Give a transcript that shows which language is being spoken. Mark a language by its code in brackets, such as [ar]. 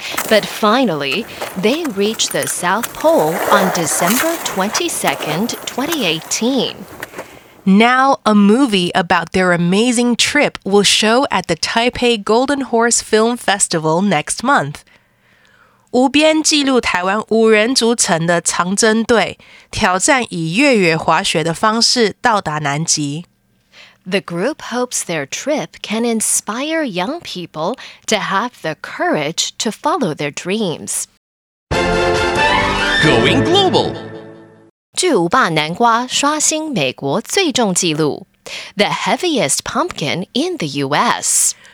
[en] But finally, they reached the South Pole on December 22nd, 2018. Now, a movie about their amazing trip will show at the Taipei Golden Horse Film Festival next month. [zh] 无边记录台湾无人组成的长征队，挑战以越野滑雪的方式到达南极。 [en] The group hopes their trip can inspire young people to have the courage to follow their dreams. Going Global! [zh] 巨无霸南瓜刷新美国最重纪录 [en] The heaviest pumpkin in the U.S.